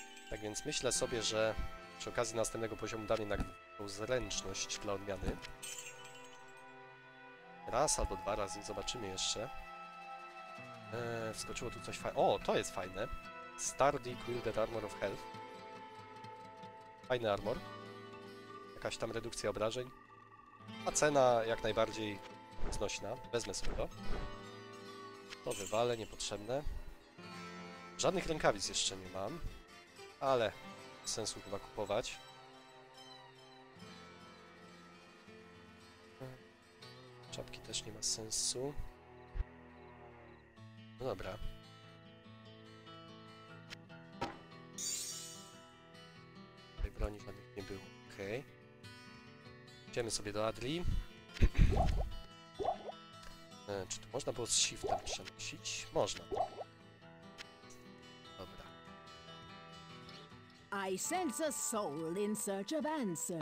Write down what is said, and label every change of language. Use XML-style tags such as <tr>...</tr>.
<pl>Tak więc myślę sobie, że przy okazji następnego poziomu dam jednak tą zręczność dla odmiany. Raz albo dwa razy, zobaczymy jeszcze. Wskoczyło tu coś fajnego. O, to jest fajne. Stardy Gilded Armor of Health. Fajny armor. Jakaś tam redukcja obrażeń. A cena jak najbardziej znośna. Wezmę sobie to. To wywalę, niepotrzebne. Żadnych rękawic jeszcze nie mam. Ale sensu chyba kupować. Czapki też nie ma sensu. No dobra. Tej broni żadnych nie było. Okej. Okay. Idziemy sobie do Adli. Czy tu można było z shiftem przenosić? Można. Dobra.</pl> <en>I sense a soul in search of answers.</en>